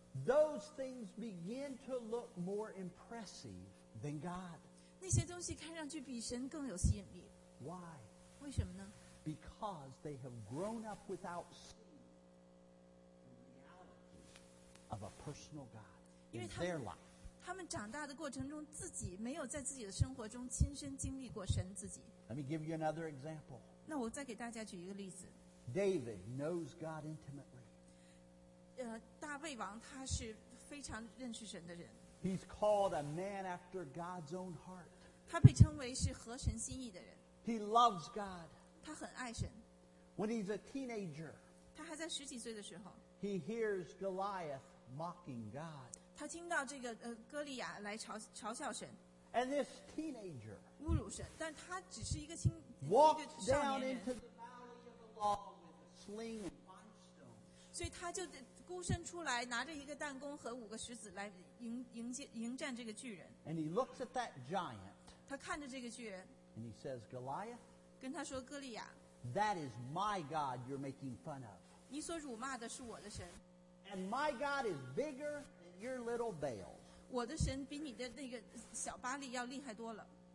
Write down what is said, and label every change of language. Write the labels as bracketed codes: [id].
[en] Those things begin to look more impressive than God. [zh] 那些东西看上去比神更有吸引力。 [en] Why? [zh] 为什么呢 [en] ？Because they have grown up without seeing the reality of a personal God in their life. [zh] 他们长大的过程中，自己没有在自己的生活中亲身经历过神自己。 [en] Let me give you another example. [zh] 那我再给大家举一个例子。 [en] David knows God intimately. [zh] 大卫王他是非常认识神的人。 [en] He's called a man after God's own heart. [zh] 他被称为是合神心意的人。 [en] He loves God. [zh] 他很爱神。 [en] When he's a teenager, [zh] 他还在十几岁的时候， [en] he hears Goliath mocking God. [zh] 他听到这个哥利亚来嘲笑神。 [en] And this teenager, [zh] 侮辱神，但他只是一个青。 [en] Walked down into the valley of the law with a sling and five stones. [zh] 所以他就孤身出来，拿着一个弹弓和五个石子来迎战这个巨人。 [en] And he looks at that giant. [zh] 他看着这个巨人。 [en] And he says, Goliath. [zh] 跟他说哥利亚。 [en] That is my God you're making fun of. [zh] 你所辱骂的是我的神。 [en] And my God is bigger than your little Baal. [zh] 我的神比你的那个小巴力要厉害多了。